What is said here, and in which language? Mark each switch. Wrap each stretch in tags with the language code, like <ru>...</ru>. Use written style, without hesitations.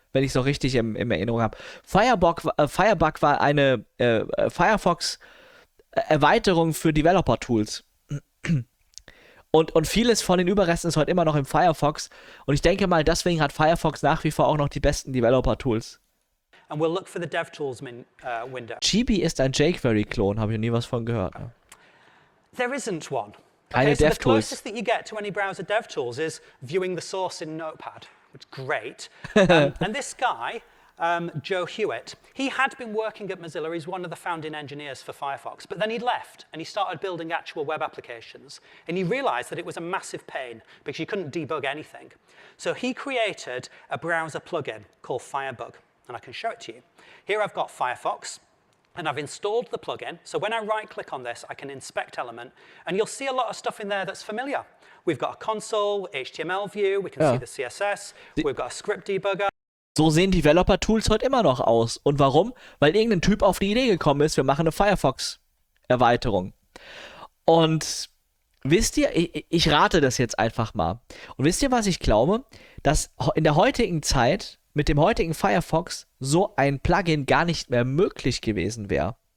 <de>Wenn ich es noch richtig in Erinnerung habe. Firebug war eine Firefox-Erweiterung für Developer-Tools. Und vieles von den Überresten ist heute immer noch im Firefox. Und ich denke mal, deswegen hat Firefox nach wie vor auch noch die besten Developer-Tools.</de> <en>And we'll look for the DevTools window.</en> <de>Chibi ist ein jQuery-Klon, habe ich nie was von gehört. Ne?</de> <en>There isn't one.</en> <de>Keine DevTools.</de> <en>The closest that you get to any browser DevTools is viewing the source in Notepad. It's great. And this guy, Joe Hewitt, he had been working at Mozilla. He's one of the founding engineers for Firefox. But then he left, and he started building actual web applications. And he realized that it was a massive pain, because you couldn't debug anything. So he created a browser plugin called Firebug. And I can show it to you. Here I've got Firefox, and I've installed the plugin. So when I right-click on this, I can inspect element. And you'll see a lot of stuff in there that's familiar. We've got a console, HTML view, we can see the CSS, we've got a script debugger.</en> <de>So sehen Developer-Tools heute immer noch aus. Und warum? Weil irgendein Typ auf die Idee gekommen ist, wir machen eine Firefox-Erweiterung. Und wisst ihr, ich rate das jetzt einfach mal. Und wisst ihr, was ich glaube? Dass in der heutigen Zeit mit dem heutigen Firefox so ein Plugin gar nicht mehr möglich gewesen wäre.</de>